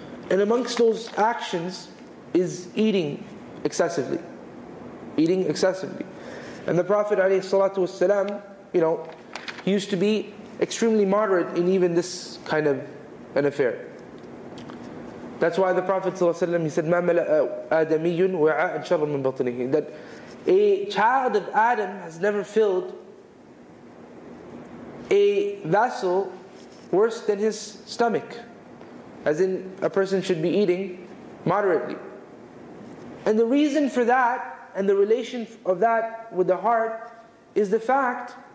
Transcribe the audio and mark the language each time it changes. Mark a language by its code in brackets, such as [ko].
[en] And amongst those actions is eating excessively. Eating excessively. And the Prophet ﷺ, you know, he used to be extremely moderate in even this kind of an affair. That's why the Prophet ﷺ, he said, [ar] "مَا مَلَأَ آدَمِيٌّ وَعَاءً شَرًّا مِنْ بَطْنِهِ." [en] That a child of Adam has never filled a vessel worse than his stomach. As in, a person should be eating moderately. And the reason for that, and the relation of that with the heart, is the fact